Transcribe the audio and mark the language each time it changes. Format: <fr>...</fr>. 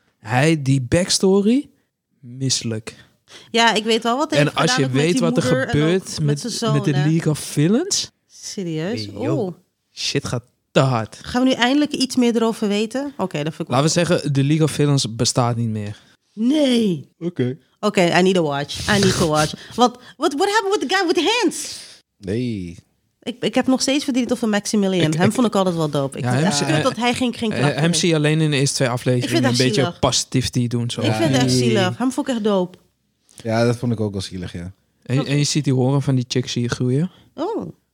<nl>Hij, die backstory... Misselijk. Ja, ik weet wel wat hij en heeft als je weet wat er gebeurt met de League of Villains... Serieus? Hey, oh. Shit gaat te hard. Gaan we nu eindelijk iets meer erover weten? Oké, dat vind ik wel. Laten we zeggen, de League of Villains bestaat niet meer. Nee. Oké.</nl> <en>Oké, I need a watch. I need to watch. What happened with the guy with the hands?</en> <nl>Nee. Ik heb nog steeds verdriet over Maximilian. Hem vond ik altijd wel dope. Ik vind dat hij geen kracht heeft. Hem zie je alleen in de eerste twee afleveringen een beetje positivity doen. Zo. Ik vind het echt zielig. Hem vond ik echt dope. Ja, dat vond ik ook wel zielig, ja. En je ziet die horen van die chicks hier groeien. Oh.</nl>